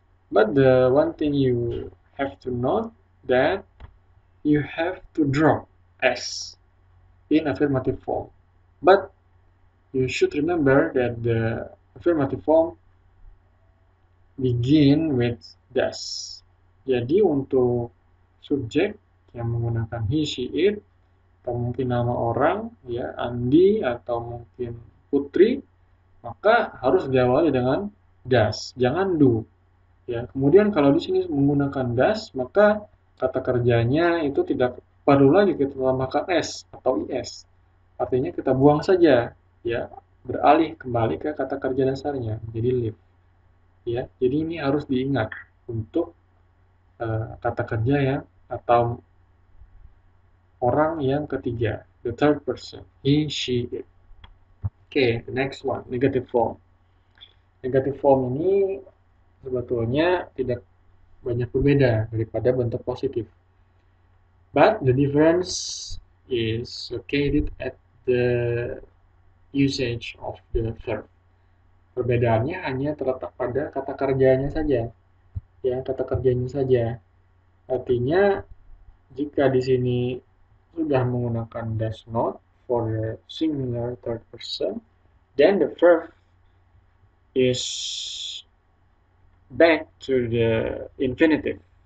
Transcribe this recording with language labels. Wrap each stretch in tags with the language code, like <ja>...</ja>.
<en>But the one thing you have to note that you have to drop S in affirmative form. But you should remember that the affirmative form begin with does.</en> <id>Jadi untuk subjek yang menggunakan he, she, it, atau mungkin nama orang, ya, Andi, atau mungkin Putri, maka harus diawali dengan does, jangan do. Ya. Kemudian kalau di sini menggunakan does, maka kata kerjanya itu tidak perlu lagi kita tambahkan s atau is. Artinya kita buang saja, ya, beralih kembali ke kata kerja dasarnya, jadi live. Ya. Jadi ini harus diingat untuk kata kerja ya, atau orang yang ketiga,</id> <en>the third person,</en> <id>he, she, it.</id> <en>Okay, the next one, negative form. Negative form</en> <id>ini sebetulnya tidak banyak berbeda daripada bentuk positif.</id> <en>But the difference is located at the usage of the verb.</en> <id>Perbedaannya hanya terletak pada kata kerjanya saja. Ya, kata kerjanya saja. Artinya, jika di sini sudah menggunakan does</id> <en>not for the singular third person, then the verb is back to the infinitive.</en>